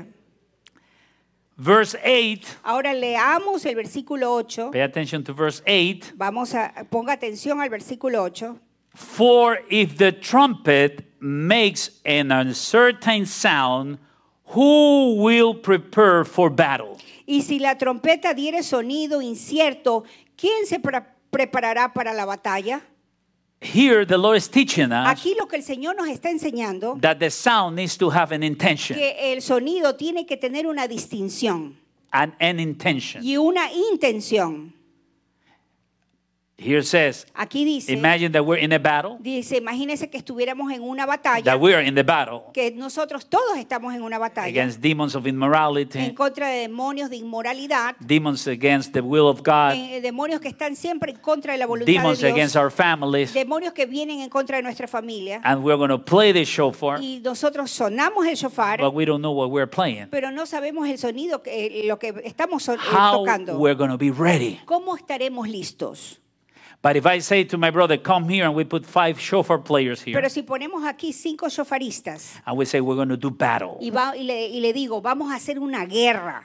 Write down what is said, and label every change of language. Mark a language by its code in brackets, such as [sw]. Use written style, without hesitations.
[en] Now, verse 8. [es] Ahora leamos el versículo 8. [en] Pay attention to verse 8. [es] Vamos a ponga atención al versículo 8. [en] For if the trumpet makes an uncertain sound, who will prepare for battle? [es] Y si la trompeta diere sonido incierto, ¿quién se preparará para la batalla? [en] Here the Lord is teaching us [es] aquí lo que el Señor nos está enseñando, [en] that the sound needs to have an intention. [es] Que el sonido tiene que tener una distinción. [en] An intention. [es] Y una intención. [en] Here says, [es] aquí dice, [en] imagine that we're in a battle. [es] Dice, imagínese que estuviéramos en una batalla. [en] That we are in the battle. [es] Que nosotros todos estamos en una batalla. [en] Against demons of immorality. [es] En contra de demonios de inmoralidad. [en] Demons against the will of God. [es] Demonios que están siempre en contra de la voluntad [en] demons [es] de Dios. [en] Demons against our families. [es] Demonios que vienen en contra de nuestra familia. [en] And we're going to play the shofar. [es] Y nosotros sonamos el shofar. [en] But we don't know what we're playing. [es] Pero no sabemos el sonido que lo que estamos [en] how [es] tocando. [en] How we're going to be ready. [es] ¿Cómo estaremos listos? [en] But if I say to my brother, come here, and we put 5 shofar players here. [es] Pero si ponemos aquí 5 shofaristas. [en] And we say, we're going to do battle. [es] Y le digo, vamos a hacer una guerra.